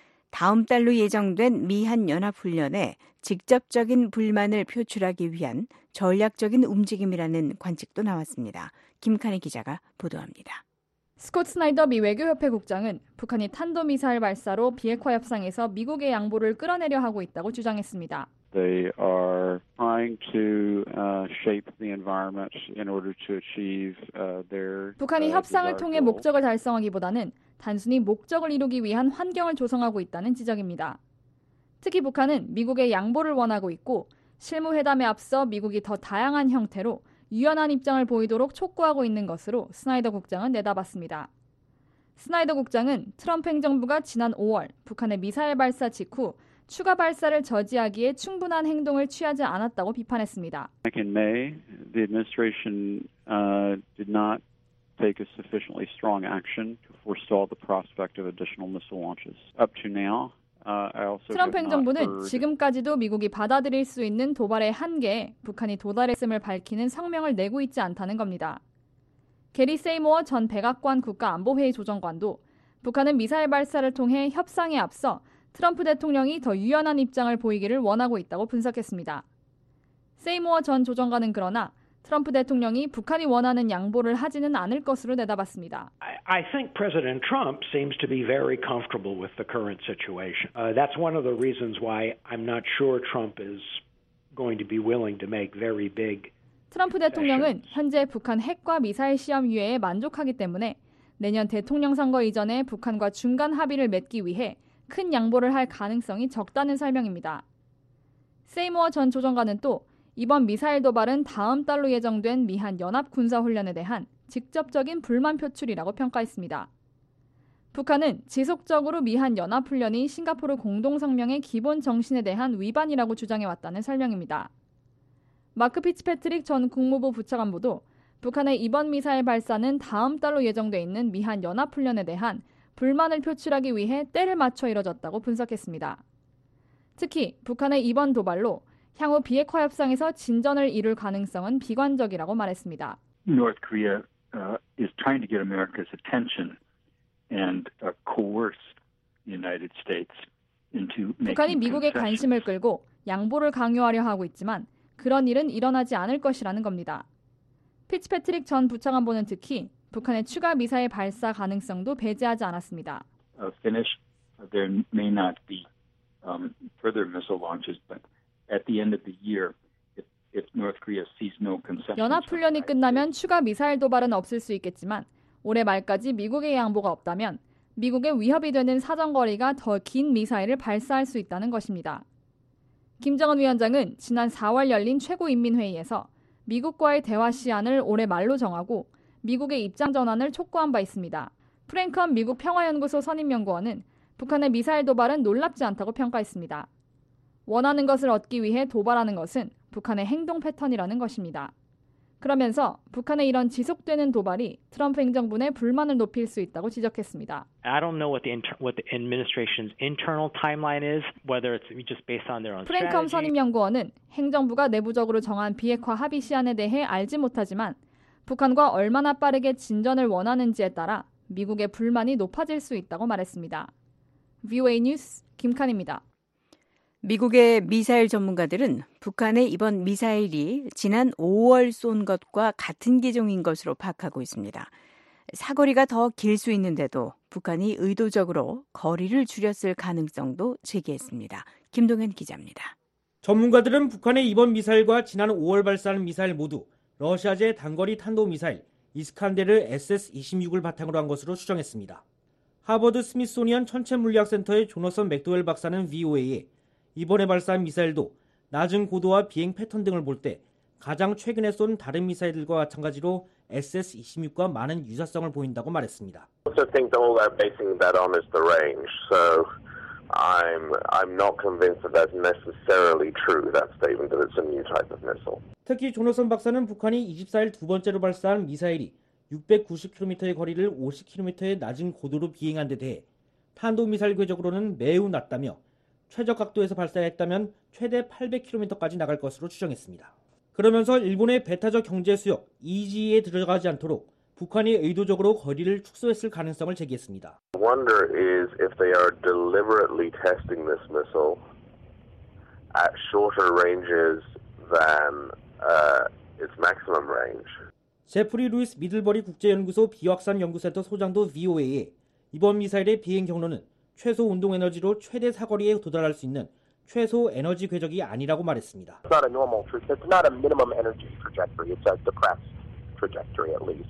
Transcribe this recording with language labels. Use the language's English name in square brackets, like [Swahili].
[Korean] 다음 달로 예정된 미한연합훈련에 직접적인 불만을 표출하기 위한 전략적인 움직임이라는 관측도 나왔습니다. 김카네 기자가 보도합니다. 스콧 스나이더 미 외교협회 국장은 북한이 탄도미사일 발사로 비핵화 협상에서 미국의 양보를 끌어내려 하고 있다고 주장했습니다. [English] They are trying to shape the environment in order to achieve their [Korean] 북한이 협상을 통해 목적을 달성하기보다는 단순히 목적을 이루기 위한 환경을 조성하고 있다는 지적입니다. 특히 북한은 미국의 양보를 원하고 있고 실무회담에 앞서 미국이 더 다양한 형태로 유연한 입장을 보이도록 촉구하고 있는 것으로 스나이더 국장은 내다봤습니다. 스나이더 국장은 트럼프 행정부가 지난 5월 북한의 미사일 발사 직후 추가 발사를 저지하기에 충분한 행동을 취하지 않았다고 비판했습니다. [English] Back in May, the administration did not take a sufficiently strong action to forestall the prospect of additional missile launches. Up to now, I also [Korean] 트럼프 행정부는 지금까지도 미국이 받아들일 수 있는 도발의 한계에 북한이 도달했음을 밝히는 성명을 내고 있지 않다는 겁니다. 게리 세이모어 전 백악관 국가안보회의 조정관도 북한은 미사일 발사를 통해 협상에 앞서 트럼프 대통령이 더 유연한 입장을 보이기를 원하고 있다고 분석했습니다. 세이모어 전 조정관은 그러나 트럼프 대통령이 북한이 원하는 양보를 하지는 않을 것으로 내다봤습니다. [English] I think President Trump seems to be very comfortable with the current situation. That's one of the reasons why I'm not sure Trump is going to be willing to make very big. [Korean] 트럼프 대통령은 현재 북한 핵과 미사일 시험 유예에 만족하기 때문에 내년 대통령 선거 이전에 북한과 중간 합의를 맺기 위해 큰 양보를 할 가능성이 적다는 설명입니다. 세이모어 전 조정관은 또 이번 미사일 도발은 다음 달로 예정된 미한 연합 군사 훈련에 대한 직접적인 불만 표출이라고 평가했습니다. 북한은 지속적으로 미한 연합 훈련이 싱가포르 공동 성명의 기본 정신에 대한 위반이라고 주장해 왔다는 설명입니다. 마크 피츠패트릭 전 국무부 부차관보도 북한의 이번 미사일 발사는 다음 달로 예정돼 있는 미한 연합 훈련에 대한 불만을 표출하기 위해 때를 맞춰 이뤄졌다고 분석했습니다. 특히 북한의 이번 도발로 향후 비핵화 협상에서 진전을 이룰 가능성은 비관적이라고 말했습니다. [English] North Korea is trying to get America's attention and coerce the United States into making [Korean] 북한이 미국의 관심을 끌고 양보를 강요하려 하고 있지만 그런 일은 일어나지 않을 것이라는 겁니다. 피츠패트릭 전 부차관보는 특히 북한의 추가 미사일 발사 가능성도 배제하지 않았습니다. [English] Finish there may not be further missile launches but at the end of the year if North Korea sees no concession [Korean] 연합 훈련이 끝나면 추가 미사일 도발은 없을 수 있겠지만 올해 말까지 미국의 양보가 없다면 미국의 위협이 되는 사정거리가 더 긴 미사일을 발사할 수 있다는 것입니다. 김정은 위원장은 지난 4월 열린 최고인민회의에서 미국과의 대화 시한을 올해 말로 정하고 미국의 입장 전환을 촉구한 바 있습니다. 프랭컨 미국 평화연구소 선임연구원은 북한의 미사일 도발은 놀랍지 않다고 평가했습니다. 원하는 것을 얻기 위해 도발하는 것은 북한의 행동 패턴이라는 것입니다. 그러면서 북한의 이런 지속되는 도발이 트럼프 행정부 내 불만을 높일 수 있다고 지적했습니다. [English] I don't know what the administration's internal timeline is, whether it's just based on their own. [Korean] 프랭컴 선임 연구원은 행정부가 내부적으로 정한 비핵화 합의 시한에 대해 알지 못하지만 북한과 얼마나 빠르게 진전을 원하는지에 따라 미국의 불만이 높아질 수 있다고 말했습니다. VOA 뉴스 김칸입니다. 미국의 미사일 전문가들은 북한의 이번 미사일이 지난 5월 쏜 것과 같은 기종인 것으로 파악하고 있습니다. 사거리가 더 길 수 있는데도 북한이 의도적으로 거리를 줄였을 가능성도 제기했습니다. 김동현 기자입니다. 전문가들은 북한의 이번 미사일과 지난 5월 발사한 미사일 모두 러시아제 단거리 탄도미사일 이스칸데르 SS-26을 바탕으로 한 것으로 추정했습니다. 하버드 스미소니언 천체물리학센터의 조너선 맥도웰 박사는 VOA에 이번에 발사한 미사일도 낮은 고도와 비행 패턴 등을 볼 때 가장 최근에 쏜 다른 미사일들과 마찬가지로 SS-26과 많은 유사성을 보인다고 말했습니다. [English] I think all they're basing that on is the range. So I'm not convinced that that's necessarily true, that statement that it's a new type of missile. [Korean] 특히 조너선 박사는 북한이 24일 두 번째로 발사한 미사일이 690km의 거리를 50km의 낮은 고도로 비행한 데 대해 탄도미사일 궤적으로는 매우 낮다며 최적 각도에서 발사했다면 최대 800km까지 나갈 것으로 추정했습니다. 그러면서 일본의 배타적 경제 수역 EG에 들어가지 않도록 북한이 의도적으로 거리를 축소했을 가능성을 제기했습니다. [English] I wonder is if they are deliberately testing this missile at shorter ranges than its maximum range. [Korean] 제프리 루이스 미들버리 국제연구소 비확산 연구센터 소장도 VOA에 이번 미사일의 비행 경로는 최소 운동 에너지로 최대 사거리에 도달할 수 있는 최소 에너지 궤적이 아니라고 말했습니다. [English] It's not a normal trajectory. It's not a minimum energy trajectory. It's a depressed trajectory at least.